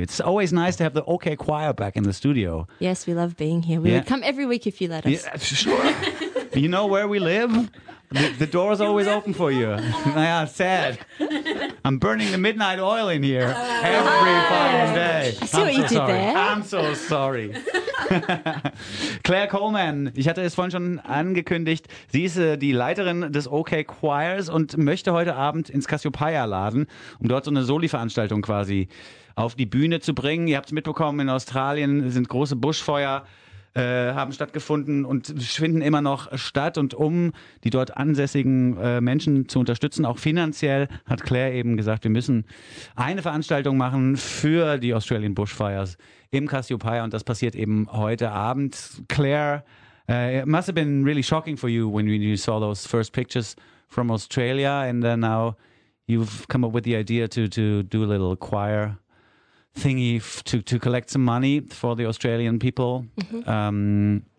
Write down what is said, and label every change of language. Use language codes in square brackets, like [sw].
[en] It's always nice to have the OK Choir back in the studio. Yes, we love being here. We would come every week if you let us. Yeah, sure. You know where we live? The door is always open for you. Yeah, sad. I'm burning the midnight oil in here every fucking day. I see I'm what so you did sorry. There. I'm so sorry. [de] Claire Coleman, ich hatte es vorhin schon angekündigt, sie ist die Leiterin des OK Choirs und möchte heute Abend ins Cassiopeia laden, um dort so eine Soli-Veranstaltung quasi auf die Bühne zu bringen. Ihr habt es mitbekommen, in Australien sind große Buschfeuer haben stattgefunden und finden immer noch statt. Und um die dort ansässigen Menschen zu unterstützen, auch finanziell, hat Claire eben gesagt, wir müssen eine Veranstaltung machen für die Australian Bushfires im Cassiopeia. Und das passiert eben heute Abend. [en] Claire, it must have been really shocking for you when you saw those first pictures from Australia. And then now you've come up with the idea to do a little choir thingy to collect some money for the Australian people. Mm-hmm.